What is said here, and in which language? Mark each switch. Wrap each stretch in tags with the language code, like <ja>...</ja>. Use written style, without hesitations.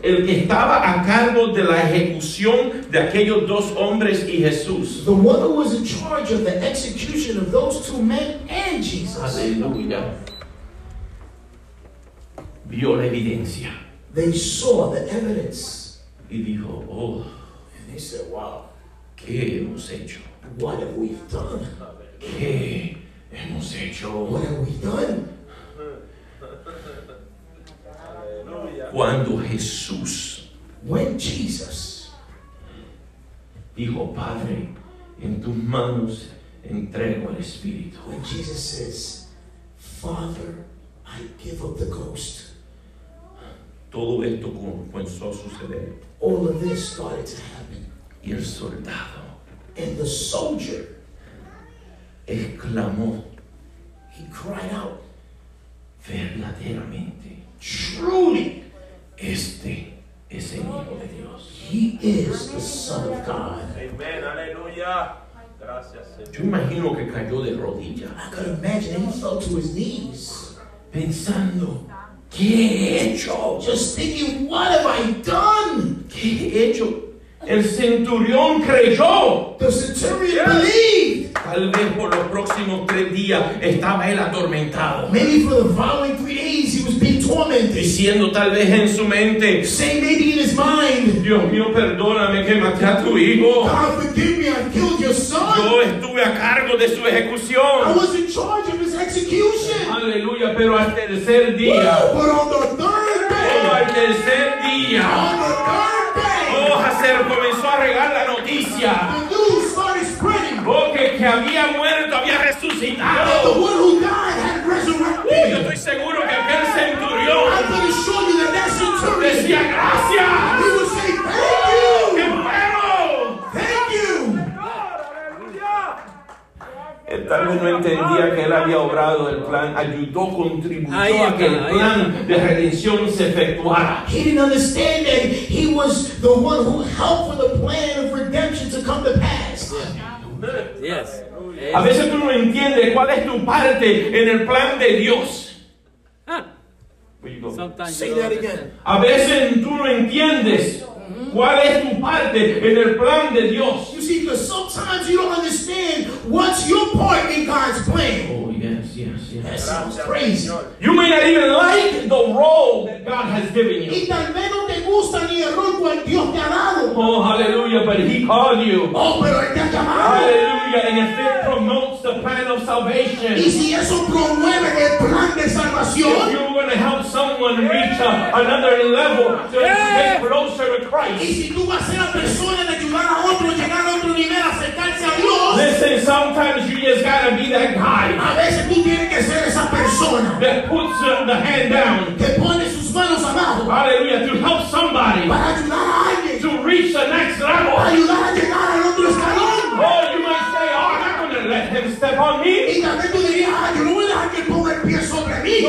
<es>El que estaba a cargo de la ejecución de aquellos dos hombres y Jesús.</es> <en>The one who was in charge of the execution of those two men and Jesus.</en> <es>Aleluya. Vio la evidencia.</es> <en>They saw the evidence.</en> <es>Y dijo, oh.</es> <en>And they said, wow.</en> <es>¿Qué hemos hecho?</es> <en>What have we done?</en> <es>¿Qué hemos hecho?</es> <en>What have we done?</en> <es>Cuando Jesús,</es> <en>when Jesus</en> <es>dijo, Padre, en tus manos entrego el espíritu.</es> <en>When Jesus says, Father, I give up the ghost.</en> <es>Todo esto comenzó a suceder.</es> <en>All of this started to happen.</en> <es>Y el soldado,</es> <en>and the soldier,</en> <es>exclamó,</es> <en>he cried out,</en> <es>verdaderamente,</es> <en>truly,</en> <es>este es el Hijo de Dios.</es> <en>He is the Son of God.</en> <es>Amen, aleluya. Gracias, Señor. Yo imagino que cayó de rodillas.</es> <en>I could imagine he fell to his knees.</en> <es>Pensando, ¿qué he hecho?</es> <en>Just thinking, what have I done?</en> <es>¿Qué he hecho? El centurión creyó.</es> <en>The centurion, yes, believed.</en> <es>Tal vez por los próximos tres días estaba él atormentado.</es> <en>Maybe for the following 3 days he was being tormented.</en> <es>Diciendo tal vez en su mente.</es> <en>Saying maybe in his mind.</en> <es>Dios mío, perdóname que maté a tu hijo.</es> <en>God, forgive me, I killed your son.</en> <es>Yo estuve a cargo de su ejecución.</es> <en>I was in charge of his execution.</en> <es>Aleluya, pero al tercer día.</es> <en>But on the third day.</en> <es>Pero al tercer día.</es> <en>On the third day.</en> <es>Pero comenzó a regar la noticia.</es> <en>The news started spreading.</en> <es>Porque que había muerto había resucitado.</es> <en>The one who died had resurrected.</en> <es>Y yo estoy seguro que aquel centurión.</es> <en>I'm going to show you the next centurion.</en> <es>Decía gracias.</es> <en>He would say thank you.</en> <es>Qué bueno.</es> <en>Thank you.</en> <es>Él tal vez no entendía que él había obrado el plan, ayudó, contribuyó está, a que el plan de redención se efectuara.</es> <en>He didn't understand that he was the one who helped for the plan of redemption to come to pass. Yes.</en> <es>A veces tú no entiendes cuál es tu parte en el plan de Dios.</es> <en>Say that again.</en> <es>A veces tú no entiendes cuál es tu parte en el plan de Dios.</es> <en>You see, because sometimes you don't understand what's your part in God's plan. Oh, yes, yes, yes. That sounds crazy. You may not even like the role that God has given you.</en> <es>Y tal vez no te gusta ni el rol que Dios te ha dado.</es> <en>Oh, hallelujah, but he called you.</en> <es>Oh, pero él te ha llamado.</es> <en>Hallelujah, and if it promotes the plan of salvation.</en> <es>Y si eso promueve el plan de salvación.</es> <en>If you're going to help someone reach another level to get closer to Christ.</en> <es>Y si tú vas a ser la persona de ayudar a otro, llegar a otro nivel, acercarse a Dios.</es> <en>Listen, sometimes you just got to be that guy.</en> <es>A veces tú tienes que ser esa persona.</es> <en>That puts the hand down.</en> <es>Que pone sus manos abajo.</es> <en>Hallelujah, to help somebody.</en> <es>Para ayudar a alguien.</es> <en>To reach the next level.</en> <es>Para ayudar a llegar al otro escalón.</es> <en>Oh, you might say, oh, I'm not going to let him step on me.</en> <es>Y también tú dirías, ay, yo no voy a dejar que ponga el pie sobre mí.</es>